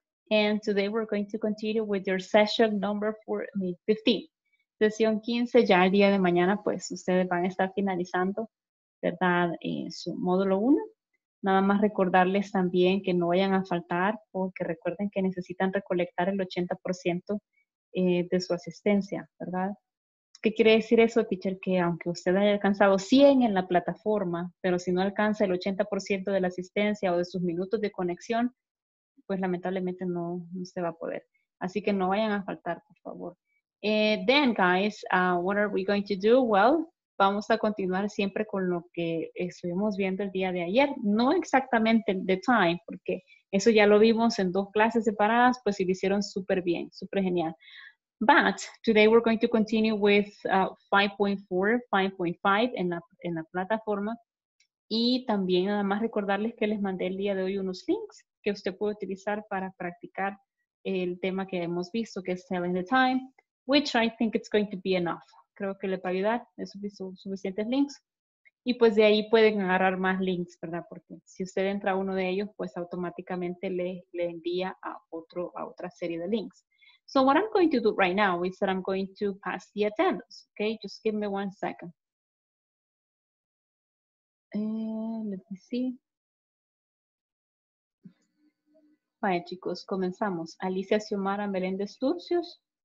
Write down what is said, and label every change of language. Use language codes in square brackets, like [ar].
[en] And today we're going to continue with your session number 15. [es] Sesión 15, ya el día de mañana, pues, ustedes van a estar finalizando, ¿verdad?, su módulo 1. Nada más recordarles también que no vayan a faltar porque recuerden que necesitan recolectar el 80% de su asistencia, ¿verdad? ¿Qué quiere decir eso, teacher? Que aunque usted haya alcanzado 100 en la plataforma, pero si no alcanza el 80% de la asistencia o de sus minutos de conexión, pues lamentablemente no se va a poder. Así que no vayan a faltar, por favor. [en] Then, guys, what are we going to do? Well, [es] vamos a continuar siempre con lo que estuvimos viendo el día de ayer. No exactamente [en] the time, [es] porque eso ya lo vimos en dos clases separadas, pues se lo hicieron súper bien, súper genial. [en] But today we're going to continue with 5.4, 5.5 [es] en la plataforma. Y también nada más recordarles que les mandé el día de hoy unos links que usted puede utilizar para practicar el tema que hemos visto, que es [en] telling the time, which I think it's going to be enough. [es] Creo que le va a ayudar, es suficientes links. Y pues de ahí pueden agarrar más links, ¿verdad? Porque si usted entra a uno de ellos, pues automáticamente le envía a otra serie de links. [en] So what I'm going to do right now is that I'm going to pass the attendance. Okay, just give me one second. Let me see. [es] Vaya, chicos, comenzamos. Alicia Xiomara Meléndez Turcios.